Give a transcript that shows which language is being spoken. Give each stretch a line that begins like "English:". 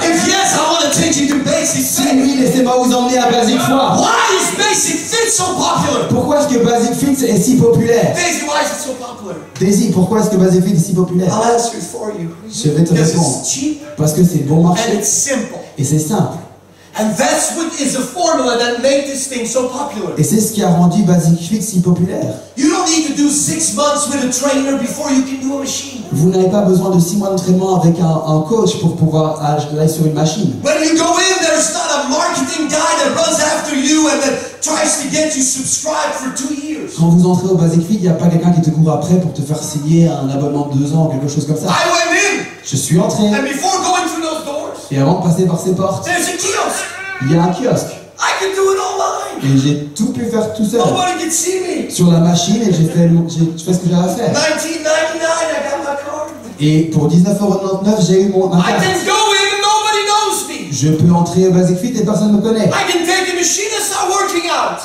English: If yes, I want to teach you to basic faith.
French: Si oui, laissez-moi vous emmener à basic foi.
English: Why is basic faith so popular?
French: Pourquoi est-ce que basic faith est si populaire?
English: Daisy, why is it so popular?
French: Daisy, pourquoi est-ce que basic faith est si populaire?
English: I'll answer it for you.
French: Je vais te répondre.
English: It's cheap.
French: Parce que c'est bon marché.
English: And it's simple.
French: Et c'est simple.
English: And that's what is the formula that made this thing so popular.
French: Et c'est ce qui a rendu basic faith si populaire.
English: You don't need to do 6 months with a trainer before you can do a machine.
French: Vous n'avez pas besoin de 6 mois d'entraînement avec un coach pour pouvoir aller sur une machine.
English: When you go in, there's not a marketing guy that runs after you and that tries to get you subscribed for 2 years.
French: Quand vous entrez au basic faith, il n'y a pas quelqu'un qui te court après pour te faire signer un abonnement de 2 ans ou quelque chose comme ça.
English: I went in.
French: Je suis entré.
English: And before going through those doors.
French: Et avant de passer par ces portes,
English: there's a kiosk.
French: Il y a un kiosque.
English: I can do it online.
French: Et j'ai tout pu faire tout seul.
English: Nobody can see me.
French: Sur la machine, et j'ai fait ce que j'avais à faire.
English: 1999, I got my card.
French: Et pour 19,99€, j'ai eu ma carte.
English: I can go in and nobody knows me.
French: Je peux entrer au Basic Fit et personne ne me connaît.
English: I can take a machine and start working out.